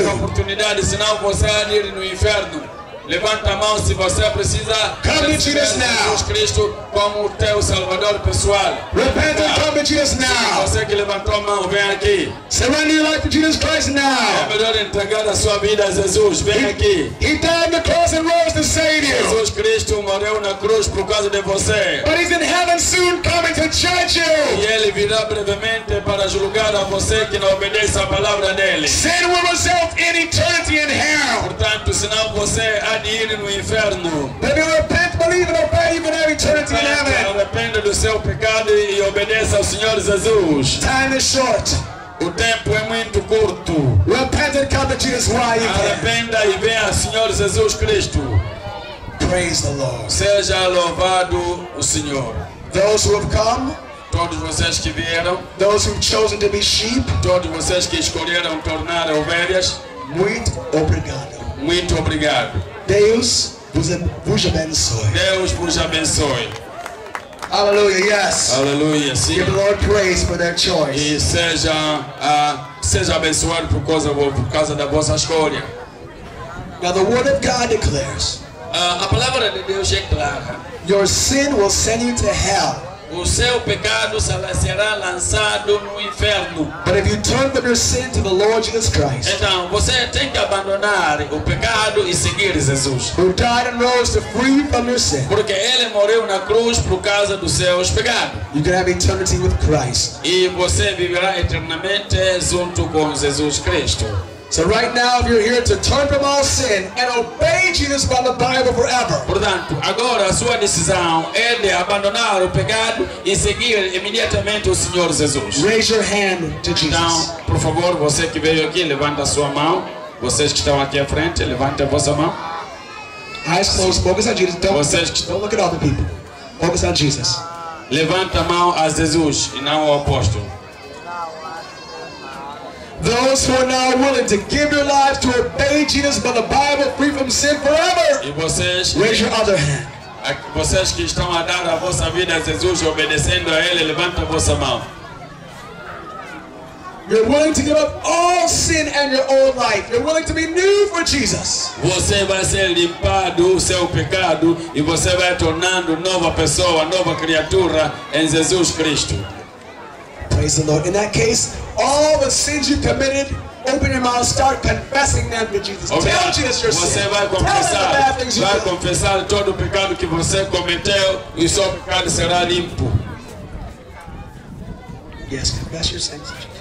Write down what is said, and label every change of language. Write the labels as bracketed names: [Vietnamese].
[Portuguese] É uma única oportunidade, senão você há de ir no inferno. Levanta a mão se você precisa. [English] Come to Jesus now. [Portuguese] Jesus Cristo como o teu Salvador pessoal. [English] Repent and come to Jesus now. [Portuguese] Sim, você que levantou a mão, vem aqui. [English] Surrender your life to Jesus Christ now. [Portuguese] É melhor entregar a sua vida a Jesus. Vem aqui. [English] He died on the cross and rose to save you. [Portuguese] Jesus Cristo morreu na cruz por causa de você. [English] But He's in heaven soon coming to judge you. [Portuguese] E Ele virá brevemente para julgar a você que não obedece a palavra dEle. [English] Sin will result in eternity in hell. [Portuguese] Portanto, senão você há de ir no inferno. [English] But if you repent, believe and obey, you will have eternity in heaven. [Portuguese] Arrependa do seu pecado e obedeça ao Senhor Jesus. [English] Time is short. [Portuguese] O tempo é muito curto. [English] Repent and come to Jesus while you can. [Portuguese] Arrependa e venha ao Senhor Jesus Cristo. [English] Praise the Lord. [Portuguese] Seja louvado o Senhor. [English] Those who have come. [Portuguese] Todos vocês que vieram. [English] Those who have chosen to be sheep. [Portuguese] Todos vocês que escolheram tornar ovelhas. Muito obrigado. Muito obrigado. Deus vos abençoe. Deus vos abençoe. Aleluia, yes. Aleluia, sim. [English] Give the Lord praise for their choice. [Portuguese] E seja abençoado por causa da vossa escolha. [English] Now the word of God declares. [Portuguese] A palavra de Deus é clara. [English] Your sin will send you to hell. [Portuguese] O seu pecado será lançado no inferno. [English] But if you turn from your sin to the Lord Jesus Christ. [Portuguese] Então, você tem que abandonar o pecado e seguir Jesus. [English] Who died and rose to free you from your sin. [Portuguese] Porque Ele morreu na cruz por causa dos seus pecados. [English] You can have eternity with Christ. [Portuguese] E você viverá eternamente junto com Jesus Cristo. [English] So right now, if you're here to turn from all sin and obey Jesus by the Bible forever. [Portuguese] Portanto, agora a sua decisão é de abandonar o pecado e seguir imediatamente o Senhor Jesus. [English] Raise your hand to Jesus. [Portuguese] Então, por favor, você que veio aqui, levanta a sua mão. Vocês que estão aqui à frente, levanta a vossa mão. [English] Eyes closed, focus on Jesus. Don't look at other people. Focus on Jesus. [Portuguese] Levanta a mão a Jesus e não ao apóstolo. [English] Those who are now willing to give your lives to obey Jesus by the Bible, free from sin forever. [Portuguese] E vocês, [English] raise your other hand. [Portuguese] Vocês que estão a dar a vossa vida a Jesus obedecendo a Ele, levanta a vossa mão. [English] You're willing to give up all sin and your old life. You're willing to be new for Jesus. [Portuguese] Você vai ser limpado o seu pecado e você vai tornando nova pessoa, nova criatura em Jesus Cristo. [English] Praise the Lord. In that case, all the sins you committed, open your mouth, start confessing them to Jesus. Okay. Tell Jesus your [Portuguese] você [English] sin. [Portuguese] Vai confessar, [English] tell him the bad things you've done. [Portuguese] Vai confessar todo o pecado que você cometeu e o seu pecado será limpo. [English] Yes, confess your sins.